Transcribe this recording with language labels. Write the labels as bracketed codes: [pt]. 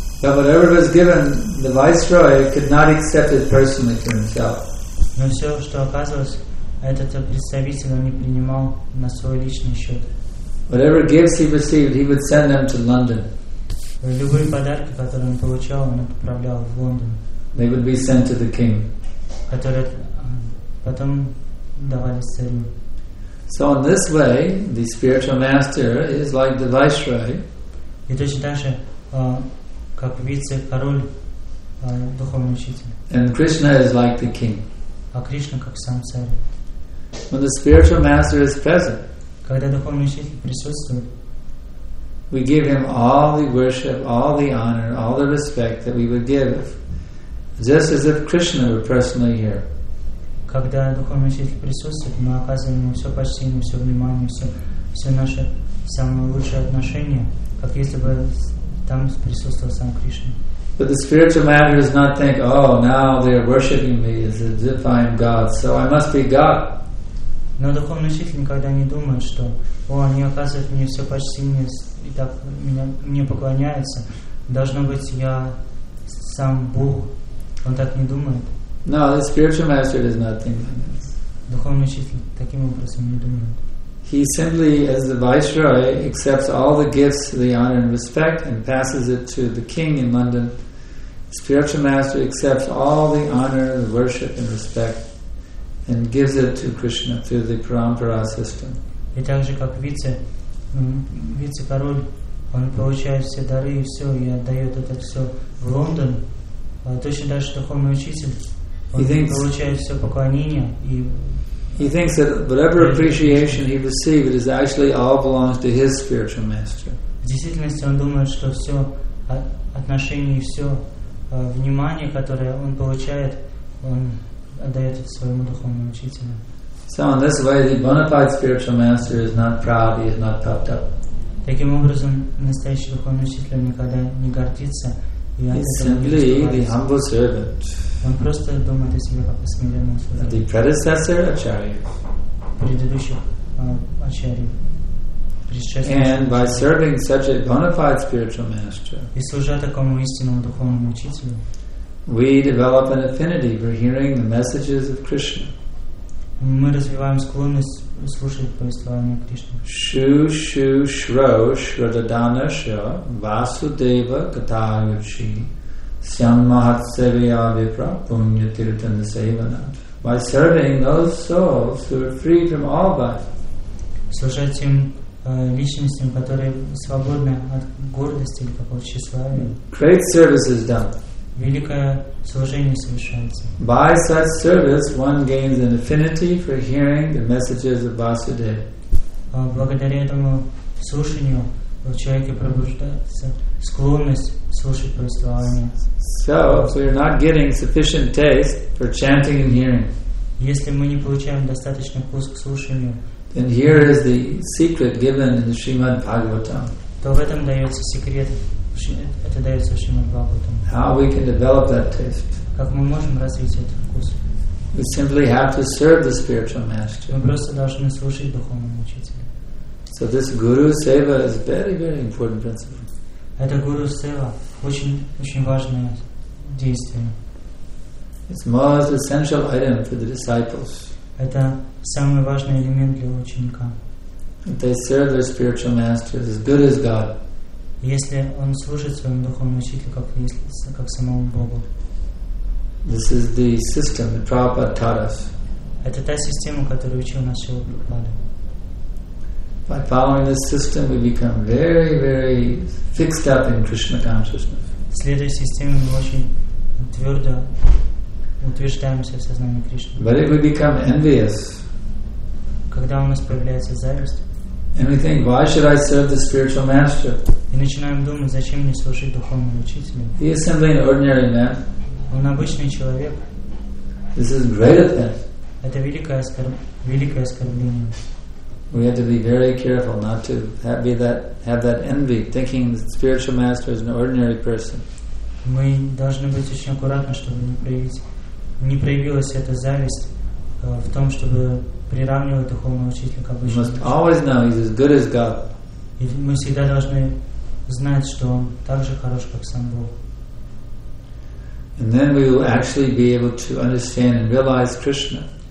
[en] But whatever was given, the viceroy could not accept it personally for himself. [ru] Но все, что оказывалось, этот представитель он не принимал на свой личный счет. [en] Whatever gifts he received, he would send them to London. [ru] Любые подарки, которые он получал, он отправлял в Лондон. [en] They would be sent to the king. [ru] Которые потом давались царю. [en] So in this way, the spiritual master is like the viceroy. [ru] И точно так же, как вице-король, духовный учитель. [en] And Krishna is like the king. [ru] А Кришна как сам царь. [en] When the spiritual master is present, [ru] когда духовный учитель присутствует, [en] we give him all the worship, all the honor, all the respect that we would give, just as if Krishna were personally here. [ru] Когда духовный учитель присутствует, мы оказываем ему все почтение, все внимание, все наше самое лучшее отношение, как если бы там присутствовал сам Кришна. [en] But the spiritual man does not think, oh, now they are worshipping me as if I am God, so I must be God. [ru] Но духовный учитель никогда не думает, что о, они оказывают мне все почти мне и так мне поклоняются. Должно быть, я сам Бог. Он так не думает. [en] No, the spiritual master does not think like this. [ru] Духовный учитель таким образом не думает. [en] He simply, as the viceroy, accepts all the gifts, the honor and respect, and passes it to the king in London. Spiritual master accepts all the honor, the worship and respect, and gives it to Krishna through the parampara system. [ru] И также как вице-король, он получает все дары и все, и отдает это все в Лондон. Точно так же духовный учитель, он получает все поклонение и. [en] He thinks that whatever appreciation he received, it is actually all belongs to his spiritual master. [ru] В действительности он думает, что все отношение и все внимание, которое он получает, он отдает своему духовному учителю. [en] So in this way, the bona fide spiritual master is not proud, he is not puffed up. [ru] Таким образом, настоящий духовный учитель никогда не гордится. [en] He's simply the humble servant. [ru] Он просто думает о себе как о смиренном служении. [en] The predecessor Acharya. [ru] Предыдущих Acharya. [en] And by serving such a bona fide spiritual master, [ru] и служа такому истинному духовному учителю, [en] we develop an affinity for hearing the messages of Krishna. [ru] Мы развиваем склонность слушать повествования Кришны. [sa] Shu shu shro shradadana sha vasudeva katayuchi syam mahatsevya vipra punya tirtana sevana. [en] By serving those souls who are free from all vice. [ru] Служать тем личностям, которые свободны от гордости или какого-то тщеславия. [en] Great service is done. [ru] Великое служение совершается. [en] By such service, one gains an affinity for hearing the messages of Vasudeva. [ru] Благодаря этому слушанию в человеке пробуждается склонность слушать повествования. [en] So, if we are not getting sufficient taste for chanting and hearing, [ru] если мы не получаем достаточный вкус к слушанию, [en] then here is the secret given in the Srimad Bhagavatam. [ru] То в этом дается секрет. Это дается Шримад Бхагаватам. [en] How we can develop that taste? [ru] Как мы можем развить этот вкус? [en] We simply have to serve the spiritual master. [ru] Мы просто должны слушать духовного учителя. [en] So this guru seva is very, very important principle. [ru] Это guru seva очень, очень важное действие. [en] It's most essential item for the disciples. [ru] Это самый важный элемент для ученика. [en] They serve their spiritual master as good as God. [ru] Если он служит своему духовному учителю как самому Богу. [en] This is the system that Prabhupada taught us. [ru] Это та система, которую учил нас Шрила Прабхупада. [en] By following this system, we become very, very fixed up in Krishna consciousness. [ru] Следуя системе, мы очень твердо утверждаемся в сознании Кришны. [en] But if we become envious, [ru] когда у нас появляется зависть, [en] and we think, why should I serve the spiritual master? [ru] И начинаем думать, зачем мне служить духовному учителю? [en] He is simply an ordinary man. [ru] Он обычный человек. [en] This is great offense. [ru] Это великое оскорбление. [en] We have to be very careful not to have that envy, thinking the spiritual master is an ordinary person. [ru] Мы должны быть очень аккуратны, чтобы не проявилась эта зависть в том, чтобы приравнивать духовного учителя к обычному. [en] We must always know he's as good as God. [ru] И мы всегда должны знать, что он так же хорош, как сам Бог. [en] And then we will actually be able to understand and realize Krishna.